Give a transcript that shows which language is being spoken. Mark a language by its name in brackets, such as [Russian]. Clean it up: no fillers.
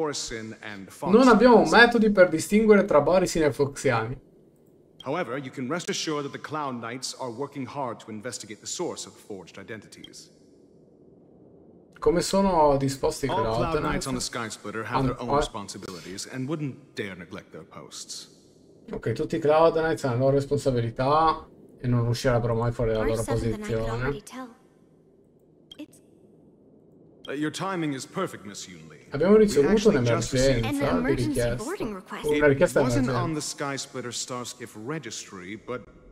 [Italian] Non abbiamo metodi per distinguere tra Borzin e Foxiani. [English] However, you can rest assured that the Clown Knights are working hard to investigate the source of forged identities. [Italian] Come sono disposti i [English] Cloud Knights on the Sky Splitter have their own responsibilities and wouldn't dare neglect their posts. [Italian] Ok, tutti i Cloud Knights hanno la loro responsabilità e non uscirebbero mai fuori dalla loro posizione. [English] Your timing is perfect, Miss Yunli. [Italian] Abbiamo ricevuto un'emergenza di richiesta. Una richiesta d'emergenza. [English] Wasn't on the Sky Splitter Starskiff registry, but